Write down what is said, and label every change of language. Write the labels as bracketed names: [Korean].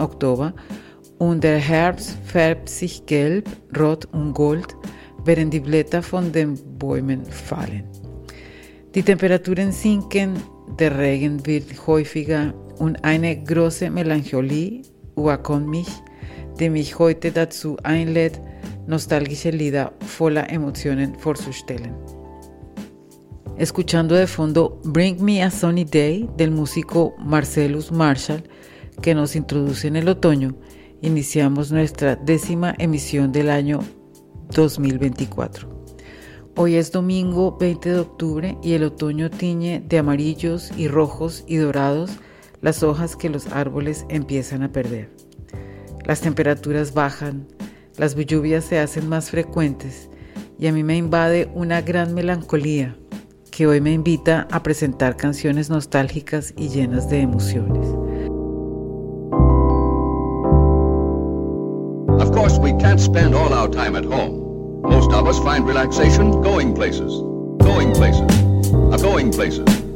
[German] Oktober, und der Herbst färbt sich gelb, rot und gold, während die Blätter von den Bäumen fallen. Die Temperaturen sinken, der Regen wird häufiger und eine große Melancholie überkommt mich, die mich heute dazu einlädt, nostalgische Lieder voller Emotionen vorzustellen. [Spanish] Escuchando de fondo Bring Me a Sunny Day del músico Marcellus Marshall, que nos introduce en el otoño, iniciamos nuestra 10ª emisión del año 2024. Hoy es domingo 20 de octubre y el otoño tiñe de amarillos y rojos y dorados las hojas que los árboles empiezan a perder. Las temperaturas bajan, las lluvias se hacen más frecuentes y a mí me invade una gran melancolía que hoy me invita a presentar canciones nostálgicas y llenas de emociones. [English] Of course, we can't spend all our time at home. Most of us find relaxation going places, going places, going places.